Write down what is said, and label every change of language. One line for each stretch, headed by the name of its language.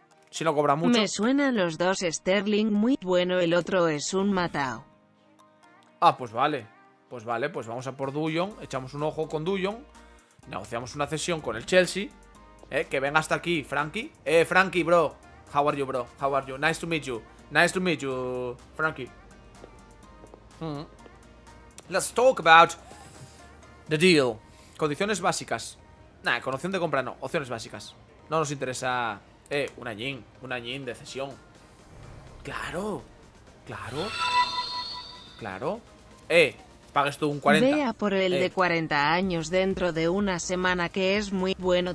Spanish: Si no cobra mucho... Me suenan los dos Sterling muy bueno. El otro es un matao. Ah, pues vale. Pues vale, pues vamos a por Dujon. Echamos un ojo con Dujon. Negociamos una cesión con el Chelsea. Que venga hasta aquí, Frankie.
English: Frankie, bro. How are you, bro? How are you? Nice to meet you. Nice to meet you, Frankie. Let's talk about the deal.
Spanish: Condiciones básicas. Nah, con opción de compra no. Opciones básicas. No nos interesa... Un añín de cesión. Claro. Claro. Claro. Pagues tú un 40. Vea por el de 40 años dentro de una semana, que es muy bueno.